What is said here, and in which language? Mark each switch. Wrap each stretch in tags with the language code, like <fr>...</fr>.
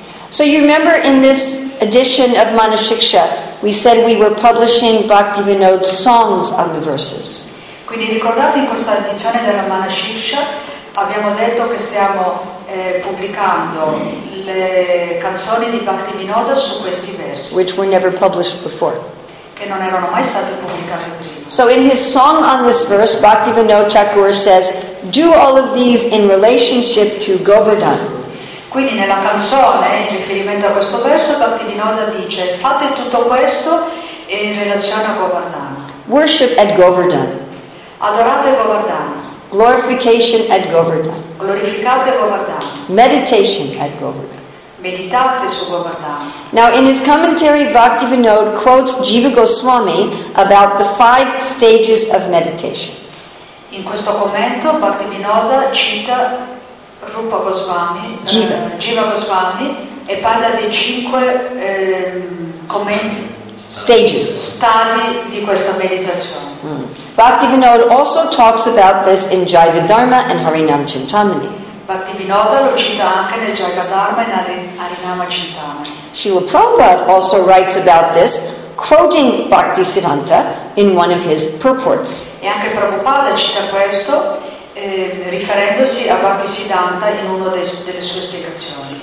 <en>So you remember in this edition of Manashiksha, we said we were publishing Bhaktivinoda's songs on the verses.</en> <it>Quindi ricordate in questa edizione della Manashiksha abbiamo detto che stiamo pubblicando le canzoni di Bhaktivinoda su questi versi.</it> <en>Which were never published before.</en> <it>Che non erano mai state pubblicate prima.</it> <en>So in his song on this verse, Bhaktivinoda Thakur says, "Do all of these in relationship to Govardhan."</en> <it>Quindi nella canzone, in riferimento a questo verso, Bhaktivinoda dice, fate tutto questo in relazione a Govardhan.</it> <en>Worship at Govardhan.</en> <it>Adorate Govardhan.</it> <en>Glorification at Govardhan.</en> <it>Glorificate Govardhan.</it> <en>Meditation at Govardhan.</en> <it>Meditate su Govardhan.</it> <en>Now in his commentary, Bhaktivinoda quotes Jiva Goswami about the five stages of meditation.</en> <it>In questo commento, Bhaktivinoda cita Rupa Goswami,</it> <en>Jiva.</en> <it>Jiva Goswami, e parla dei cinque commenti,</it> <en>stages,</en> <it>stadi di questa meditazione. Mm.</it> <en>Bhaktivinoda also talks about this in Jiva Dharma and Harinam Chintamani.</en> <it>Bhaktivinoda lo cita anche nel Jiva Dharma e Harinama Chintamani.</it> <en>Srila Prabhupada also writes about this, quoting Bhaktisiddhanta in one of his purports.</en> <it>E anche Prabhupada cita questo, riferendosi a Bhaktisiddhanta in uno delle sue spiegazioni.</it>